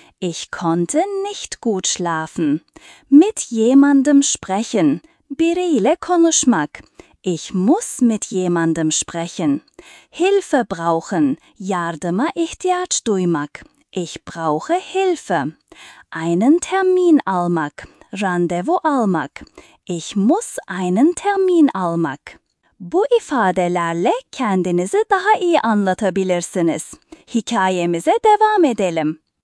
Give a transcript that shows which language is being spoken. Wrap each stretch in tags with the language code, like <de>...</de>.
<de>Ich konnte nicht gut schlafen. Mit jemandem sprechen.</de> <tr>Biriyle konuşmak.</tr> <de>Ich muss mit jemandem sprechen. Hilfe brauchen.</de> <tr>Yardıma ihtiyaç duymak.</tr> <de>Ich brauche Hilfe. Einen Termin almak.</de> <tr>Randevu almak.</tr> <de>Ich muss einen Termin almak.</de> <tr>Bu ifadelerle kendinizi daha iyi anlatabilirsiniz. Hikayemize devam edelim.</tr>